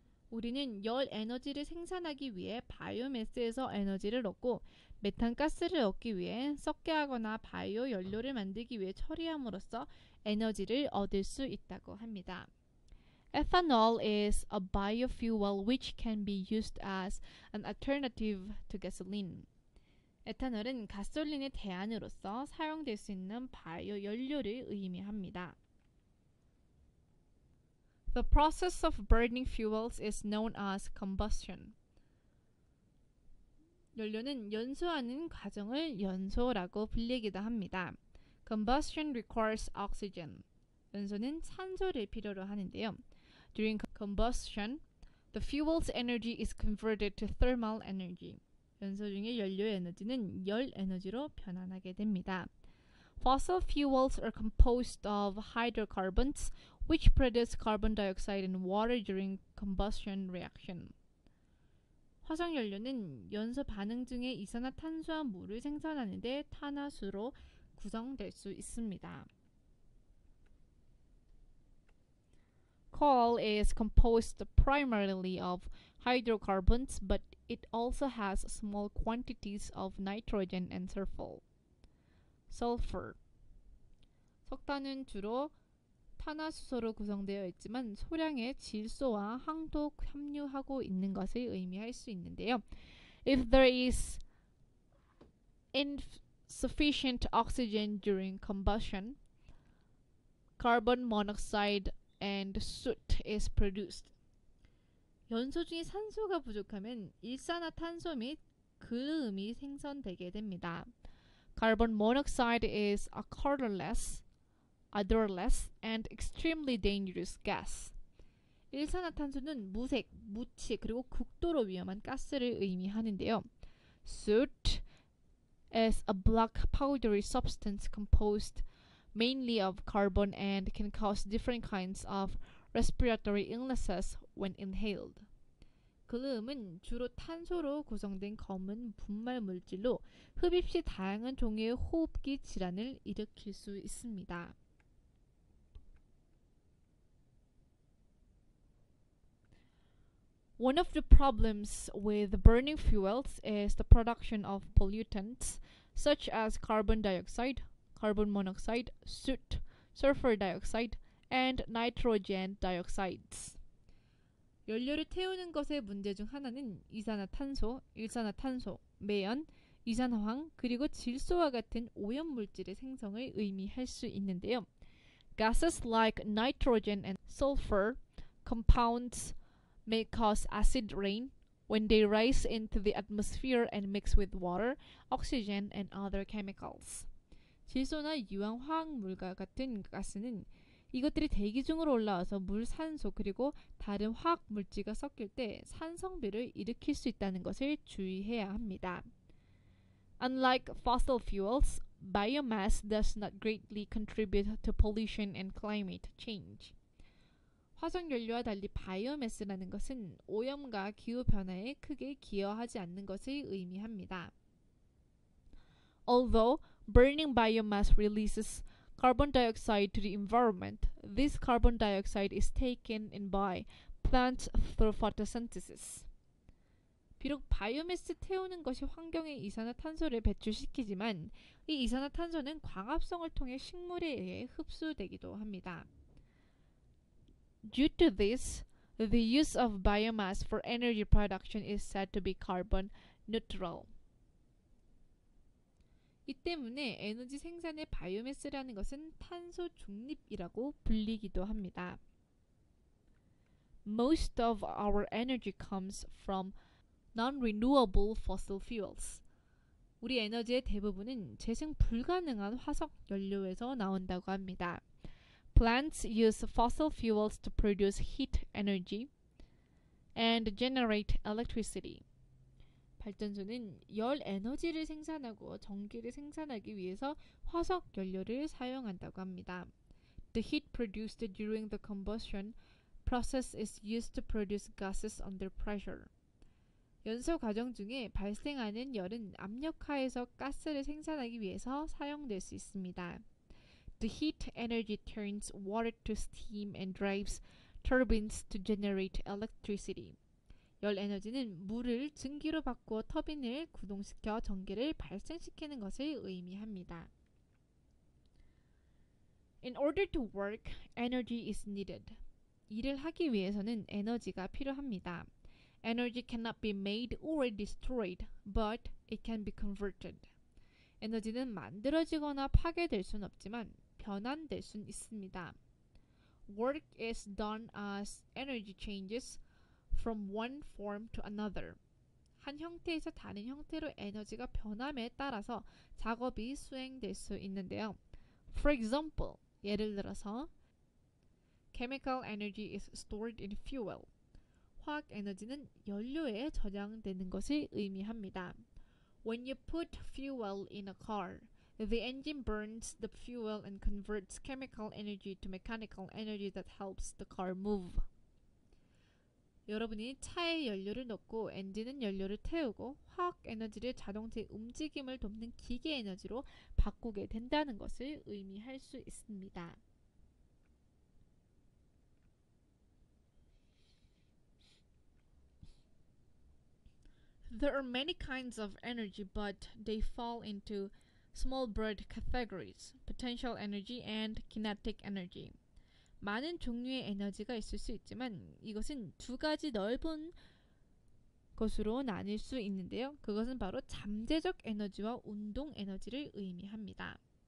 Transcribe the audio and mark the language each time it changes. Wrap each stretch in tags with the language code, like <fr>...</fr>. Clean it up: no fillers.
<ko>우리는 열 에너지를 생산하기 위해 바이오매스에서 에너지를 얻고 메탄 가스를 얻기 위해 석회하거나 바이오 연료를 만들기 위해 처리함으로써 에너지를 얻을 수 있다고 합니다.</ko> <en>Ethanol is a biofuel which can be used as an alternative to gasoline.</en> <ko>에탄올은 가솔린의 대안으로서 사용될 수 있는 바이오 연료를 의미합니다.</ko> <en>The process of burning fuels is known as combustion.</en> <ko>연료는 연소하는 과정을 연소라고 불리기도 합니다.</ko> <en>Combustion requires oxygen.</en> <ko>연소는 산소를 필요로 하는데요.</ko> <en>During combustion, the fuel's energy is converted to thermal energy.</en> <ko>연소 중에 연료의 에너지는 열 에너지로 변환하게 됩니다.</ko> <en>Fossil fuels are composed of hydrocarbons, which produce carbon dioxide and water during combustion reaction.</en> <ko>화석 연료는 연소 반응 중에 이산화탄소와 물을 생산하는데 탄화수로 구성될 수 있습니다.</ko> <en>Coal is composed primarily of hydrocarbons, but it also has small quantities of nitrogen and sulfur. Sulfur.</en> <ko>석탄은 주로 탄화수소로 구성되어 있지만 소량의 질소와 황도 함유하고 있는 것을 의미할 수 있는데요.</ko> <en>If there is insufficient oxygen during combustion, carbon monoxide and soot is produced.</en> <ko>연소 중에 산소가 부족하면 일산화탄소 및 그음이 생성되게 됩니다.</ko> <en>Carbon monoxide is a colorless, odorless, and extremely dangerous gas.</en> <ko>일산화탄소는 무색, 무취, 그리고 극도로 위험한 가스를 의미하는데요.</ko> <en>Soot is a black powdery substance composed mainly of carbon and can cause different kinds of respiratory illnesses when inhaled.</en> <ko>그음은 주로 탄소로 구성된 검은 분말 물질로 흡입 시 다양한 종류의 호흡기 질환을 일으킬 수 있습니다.</ko> <en>One of the problems with burning fuels is the production of pollutants such as carbon dioxide, carbon monoxide, soot, sulfur dioxide, and nitrogen dioxides.</en> <ko>연료를 태우는 것의 문제 중 하나는 이산화탄소, 일산화탄소, 매연, 이산화황, 그리고 질소와 같은 오염물질의 생성을 의미할 수 있는데요.</ko> <en>Gases like nitrogen and sulfur compounds may cause acid rain when they rise into the atmosphere and mix with water, oxygen, and other chemicals.</en> <ko>질소나 유황화학물과 같은 가스는 이것들이 대기 중으로 올라와서 물, 산소, 그리고 다른 화학물질과 섞일 때 산성비를 일으킬 수 있다는 것을 주의해야 합니다.</ko> <en>Unlike fossil fuels, biomass does not greatly contribute to pollution and climate change.</en> <ko>화석연료와 달리 바이오매스라는 것은 오염과 기후변화에 크게 기여하지 않는 것을 의미합니다.</ko> <en>Although burning biomass releases carbon dioxide to the environment. This carbon dioxide is taken in by plants through photosynthesis.</en> <ko>비록 바이오매스 태우는 것이 환경에 이산화탄소를 배출시키지만 이 이산화탄소는 광합성을 통해 식물에 의해 흡수되기도 합니다.</ko> <en>Due to this, the use of biomass for energy production is said to be carbon neutral.</en> <ko>이 때문에 에너지 생산의 바이오매스라는 것은 탄소 중립이라고 불리기도 합니다.</ko> <en>Most of our energy comes from non-renewable fossil fuels.</en> <ko>우리 에너지의 대부분은 재생 불가능한 화석 연료에서 나온다고 합니다.</ko> <en>Plants use fossil fuels to produce heat energy and generate electricity.</en> <ko>발전소는 열 에너지를 생산하고 전기를 생산하기 위해서 화석 연료를 사용한다고 합니다.</ko> <en>The heat produced during the combustion process is used to produce gases under pressure.</en> <ko>연소 과정 중에 발생하는 열은 압력하에서 가스를 생산하기 위해서 사용될 수 있습니다.</ko> <en>The heat energy turns water to steam and drives turbines to generate electricity.</en> <ko>열 에너지는 물을 증기로 바꾸어 터빈을 구동시켜 전기를 발생시키는 것을 의미합니다.</ko> <en>In order to work, energy is needed.</en> <ko>일을 하기 위해서는 에너지가 필요합니다.</ko> <en>Energy cannot be made or destroyed, but it can be converted.</en> <ko>에너지는 만들어지거나 파괴될 순 없지만 변환될 순 있습니다.</ko> <en>Work is done as energy changes from one form to another.</en> <ko>한 형태에서 다른 형태로 에너지가 변함에 따라서 작업이 수행될 수 있는데요.</ko> <en>For example,</en> <ko>예를 들어서</ko> <en>Chemical energy is stored in fuel.</en> <ko>화학 에너지는 연료에 저장되는 것을 의미합니다.</ko> <en>When you put fuel in a car, the engine burns the fuel and converts chemical energy to mechanical energy that helps the car move.</en> <ko>여러분이 차에 연료를 넣고 엔진은 연료를 태우고 화학 에너지를 자동차의 움직임을 돕는 기계 에너지로 바꾸게 된다는 것을 의미할 수 있습니다.</ko> <en>There are many kinds of energy, but they fall into small broad categories, potential energy and kinetic energy.</en> <ko>많은 종류의 에너지가 있을 수 있지만 이것은 두 가지 넓은 것으로 나뉠 수 있는데요. 그것은 바로 잠재적 에너지와 운동 에너지를 의미합니다.</ko>